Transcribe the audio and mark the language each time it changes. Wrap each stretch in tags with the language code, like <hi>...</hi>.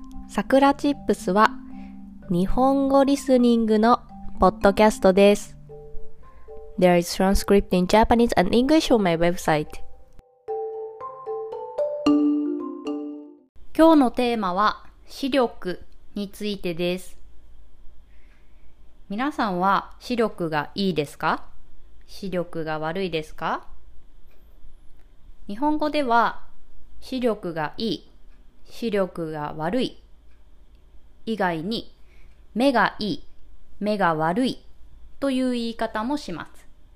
<ja>さくらチップスは日本語リスニングのポッドキャストです。</ja> <en>There is transcript in Japanese and English on my website.</en> <ja>今日のテーマは視力についてです。皆さんは視力がいいですか？視力が悪いですか？日本語では視力がいい、視力が悪い以外に目がいい、目が悪いという言い方もします。</ja>